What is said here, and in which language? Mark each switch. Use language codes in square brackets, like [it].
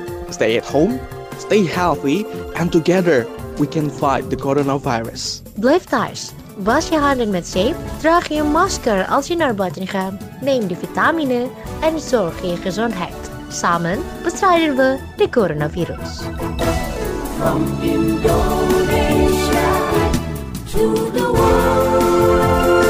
[en] Stay at home, stay healthy, and together we can fight the coronavirus. [nl] Bleib thuis, wasch je handen met zeep, draag je masker als je naar buiten gaat, neem de vitamine en zorg je gezondheid. Samen bestrijden we de coronavirus. [en] From Indonesia to the world.